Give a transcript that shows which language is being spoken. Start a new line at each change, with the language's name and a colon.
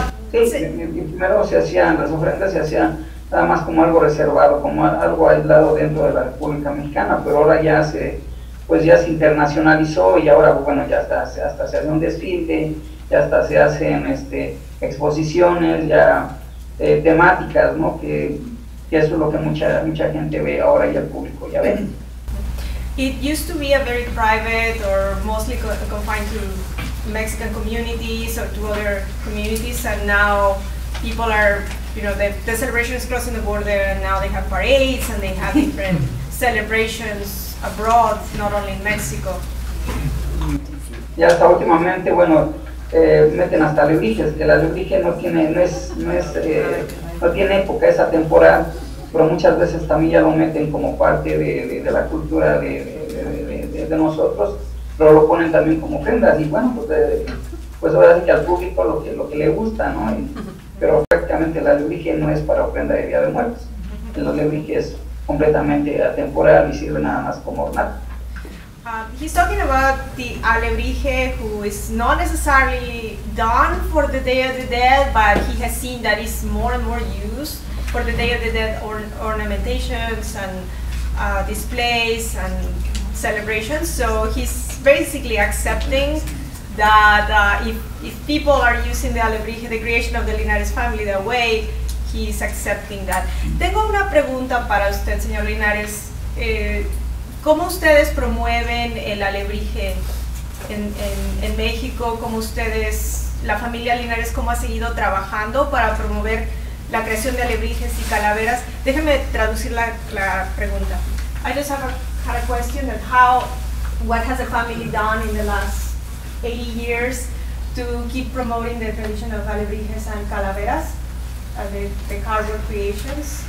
Spanish: Sí, primero se hacían, las ofrendas se hacían nada más como algo reservado, como algo aislado dentro de la República Mexicana, pero ahora ya se internacionalizó, y ahora, bueno, ya hasta se hace un desfile, ya hasta se hacen exposiciones, ya temáticas, ¿no? Que eso es lo que mucha gente ve ahora y el público ya ve.
English: It used to be a very private or mostly confined to Mexican communities or to other communities, and now people are, you know, the celebration is crossing the border, and now they have parades and they have different celebrations abroad, not only in Mexico.
Spanish: Y hasta últimamente, bueno, meten hasta alebrijes, que la alebrije no tiene época, esa temporada, pero muchas veces también ya lo meten como parte de la cultura de nosotros, pero lo ponen también como ofrendas, y bueno, pues ahora sí que al público lo que le gusta, ¿no? Pero prácticamente la alebrije no es para ofrenda de Día de Muertos. La alebrije es completamente atemporal y sirve nada más como ornato.
English: He's talking about the alebrije, who is not necessarily done for the Day of the Dead, but he has seen that it's more and more used for the Day of the Dead ornamentations and displays and celebrations, so he's basically accepting that if people are using the alebrije, the creation of the Linares family, that way, he's accepting that.
Spanish: Tengo una pregunta para usted, señor Linares. ¿Cómo ustedes promueven el alebrije en México? ¿Cómo ustedes, la familia Linares, cómo ha seguido trabajando para promover la creación de alebrijes y calaveras. Déjeme traducir la, la pregunta.
English: I just have a, had a question of how, what has the family done in the last 80 years to keep promoting the tradition of alebrijes and calaveras, the cardboard creations.